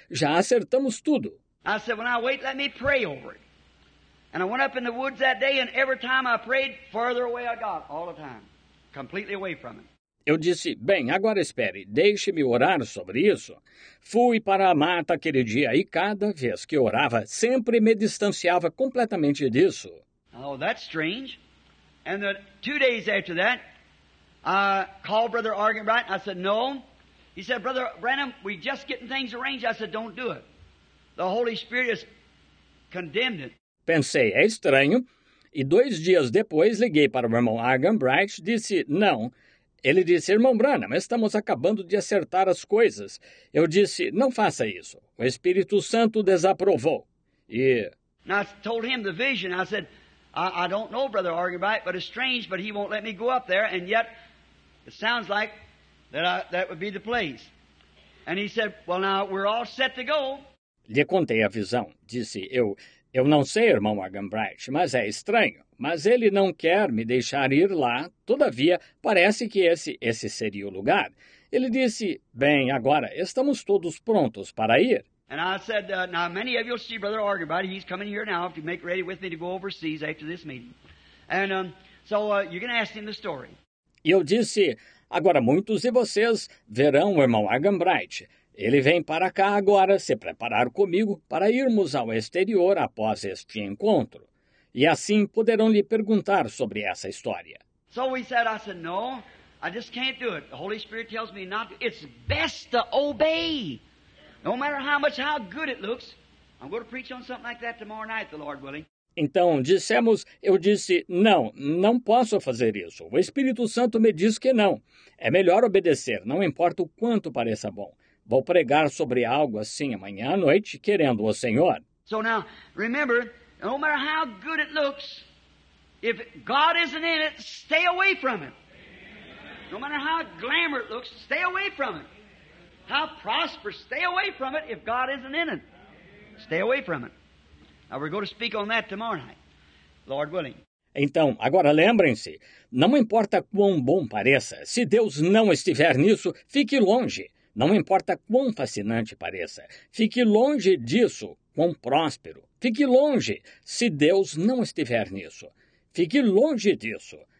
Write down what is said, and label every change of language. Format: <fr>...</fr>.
<pt>Já acertamos tudo.</pt> <en>I said, well, now wait, let me pray over it. And I went up in the woods that day, and every time I prayed, further away I got, all the time, completely away from it.</en> <pt>Eu disse, bem, agora espere, deixe-me orar sobre isso. Fui para a mata aquele dia e cada vez que orava, sempre me distanciava completamente disso.</pt> <en>Oh, that's strange. And then 2 days after that, I called Brother Argenbright. I said, no. He said, Brother Branham, we just getting things arranged. I said, don't do it. The Holy Spirit has condemned it.</en> <pt>Pensei, é estranho. E 2 dias depois, liguei para o irmão Argenbright, disse, não. Ele disse, irmão Branham, estamos acabando de acertar as coisas. Eu disse, não faça isso. O Espírito Santo desaprovou. E...</pt> <en>And I told him the vision. I said, I don't know, Brother Argenbright, but it's strange, but he won't let me go up there. And yet, it sounds like that would be the place. And he said, well, now, we're all set to go.</en> <pt>Lhe contei a visão. Disse, eu não sei, irmão Argenbright, mas é estranho. Mas ele não quer me deixar ir lá. Todavia, parece que esse seria o lugar. Ele disse, bem, agora estamos todos prontos para ir.</pt> <en>And I said, now many of you will see Brother Argenbright. He's coming here now to make ready with me to go overseas after this meeting. And you can ask him the story.</en> <pt>E eu disse, agora muitos de vocês verão o irmão Argenbright. Ele vem para cá agora se preparar comigo para irmos ao exterior após este encontro. E assim poderão lhe perguntar sobre essa história.</pt> <en>So we said, I said, no, I just can't do it. The Holy Spirit tells me not to. It's best to obey. No matter how good it looks, I'm going to preach on something like that tomorrow night, the Lord willing.</en> <pt>Então, dissemos, eu disse, não posso fazer isso. O Espírito Santo me diz que não. É melhor obedecer, não importa o quanto pareça bom. Vou pregar sobre algo assim amanhã à noite, querendo o Senhor.</pt> <en>So now, remember, no matter how good it looks, if God isn't in it, stay away from it. No matter how glamour it looks, stay away from it. How prosperous, stay away from it if God isn't in it. Stay away from it. Now we're going to speak on that tomorrow night, Lord willing.</en> <pt>Então, agora lembrem-se, não importa quão bom pareça, se Deus não estiver nisso, fique longe. Não importa quão fascinante pareça, fique longe disso, quão próspero. Fique longe, se Deus não estiver nisso. Fique longe disso.</pt>